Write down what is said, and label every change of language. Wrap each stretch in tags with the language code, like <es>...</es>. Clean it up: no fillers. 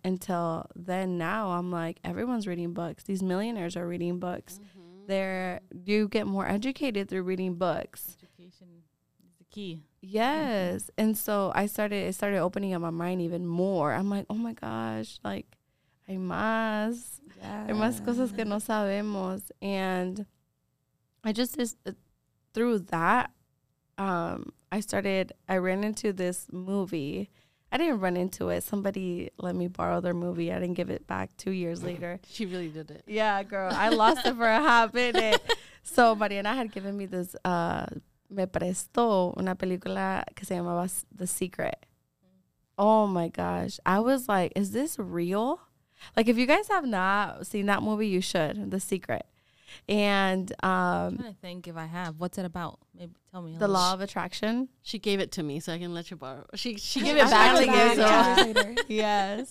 <en>Until then, now I'm like, everyone's reading books. These millionaires are reading books. Mm-hmm. They're, you get more educated through reading books. Education is the key. Yes. Mm-hmm. And so I started, it started opening up my mind even more. I'm like, oh my gosh, like,</en> <es>hay más. Hay más cosas que no sabemos.</es> <en>And I just, through that, I ran into this movie. I didn't run into it. Somebody let me borrow their movie. I didn't give it back 2 years later. She really did it. Yeah, girl. I lost it for a hot minute. So Mariana had given me this,</en> <es>me prestó una película que se llamaba The Secret.</es> <en>Oh my gosh. I was like, is this real? Like, if you guys have not seen that movie, you should. The Secret. And I'm trying to think if I have. What's it about? Maybe tell me. The law of attraction. She gave it to me, so I can let you borrow. She gave it back to you. So. Yes.</en>